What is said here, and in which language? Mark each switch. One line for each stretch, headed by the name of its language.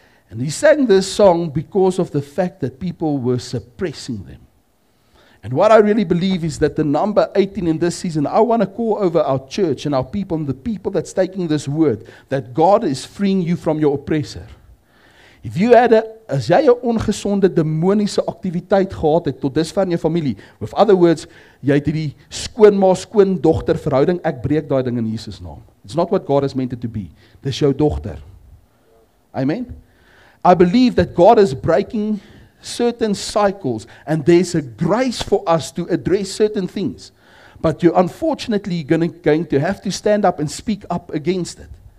English: And he sang this song because of the fact that people were suppressing them. And what I really believe is that the number 18 in this season, I want to call over our church and our people and the people that's taking this word, that God is freeing you from your oppressor. If you had
Afrikaans: as jy 'n ongesonde demoniese aktiwiteit gehad het tot dusver in jou familie,
English: with other words,
Afrikaans: jy het hierdie skoonma skoondogter verhouding, ek breek daai ding in Jesus naam.
English: It's not what God has meant it to be.
Afrikaans: Dis jou dogter.
English: Amen. I believe that God is breaking certain cycles and there's a grace for us to address certain things. But you're unfortunately going to have to stand up and speak up against it.